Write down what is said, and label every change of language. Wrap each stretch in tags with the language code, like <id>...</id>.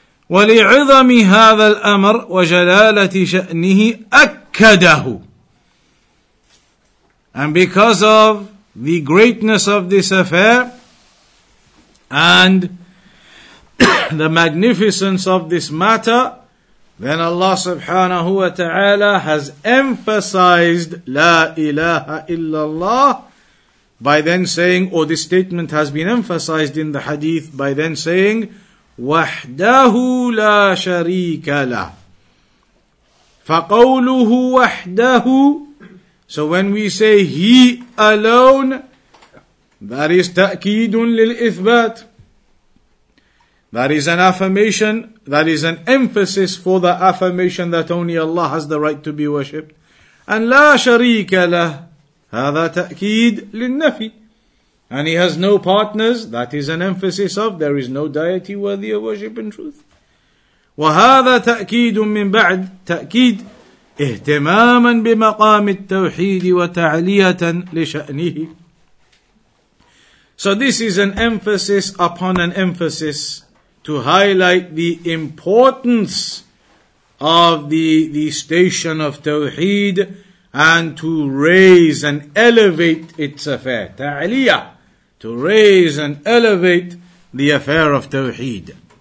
<ar>ولعظم هذا الأمر وجلالة شأنه أكده.</ar> <en>And because of the greatness of this affair and the magnificence of this matter, then Allah subhanahu wa ta'ala has emphasized La ilaha illallah by then saying, or this statement has been emphasized in the hadith by then saying,</en> <ar>وَحْدَهُ لَا شَرِيكَ لَهُ فَقَوْلُهُ وَحْدَهُ.</ar> <en>So when we say he alone, that is</en> <ar>ta'keedun lil-ithbat.</ar> <en>That is an affirmation, that is an emphasis for the affirmation that only Allah has the right to be worshipped.</en> <ar>And la sharika lah, هذا تأكيد للنفي.</ar> <en>And he has no partners, that is an emphasis of there is no deity worthy of worship and truth.</en> <ar>وهذا تأكيد من بعد تأكيد اهتماما بمقام التوحيد وتعلية لشأنه.</ar> <en>So this is an emphasis upon an emphasis to highlight the importance of the station of Tawheed and to raise and elevate its affair. Ta'aliyah, to raise and elevate the affair of Tawheed.</en>